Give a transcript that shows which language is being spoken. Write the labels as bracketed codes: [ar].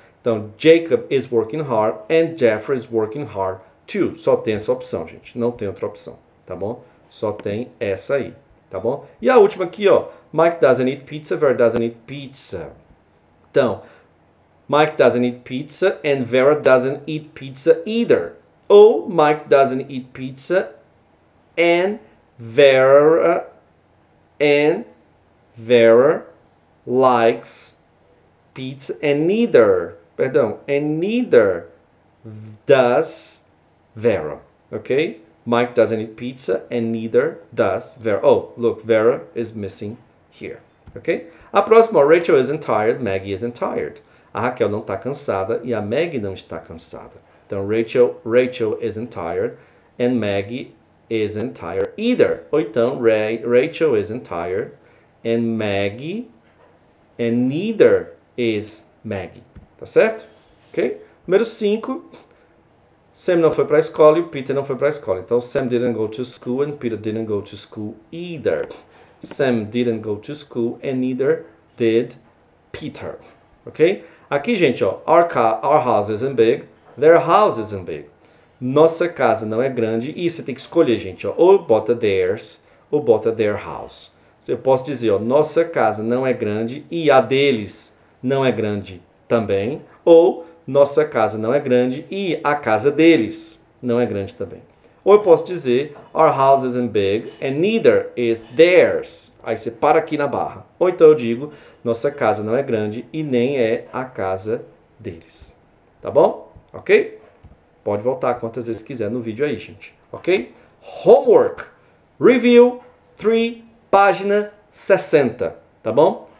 [pt] Então, [en] Jacob is working hard and Jeffrey is working hard. [pt] Two. Só tem essa opção, gente. Não tem outra opção, tá bom? Só tem essa aí. Tá bom? E a última aqui, ó. [en] Mike doesn't eat pizza, Vera doesn't eat pizza. Então, Mike doesn't eat pizza and Vera doesn't eat pizza either. [pt] Ou [en] Mike doesn't eat pizza and Vera likes pizza and neither. [pt] Perdão, [en] and neither does Vera, okay? Mike doesn't eat pizza and neither does Vera. Oh, look, Vera is missing here, okay? [pt] A próxima, [en] Rachel isn't tired, Maggie isn't tired. [pt] A Raquel não está cansada e a Maggie não está cansada. [en] Então, Rachel isn't tired and Maggie isn't tired either. [pt] Ou então, [en] Rachel isn't tired and Maggie and neither is Maggie. [pt] Tá certo? Ok? Número 5. Sam não foi para a escola e o Peter não foi para a escola. [en] Então, Sam didn't go to school and Peter didn't go to school either. Sam didn't go to school and neither did Peter. Ok? [pt] Aqui, gente, ó, [en] our house isn't big, their house isn't big. [pt] Nossa casa não é grande. E você tem que escolher, gente, ó, ou bota theirs ou bota [en] their house. [pt] Eu posso dizer, ó, nossa casa não é grande e a deles não é grande também. Ou nossa casa não é grande e a casa deles não é grande também. Ou eu posso dizer, [en] our house isn't big and neither is theirs. [pt] Aí você para aqui na barra. Ou então eu digo, nossa casa não é grande e nem é a casa deles. Tá bom? Ok? Pode voltar quantas vezes quiser no vídeo aí, gente. Ok? Homework. Review 3, página 60. Tá bom?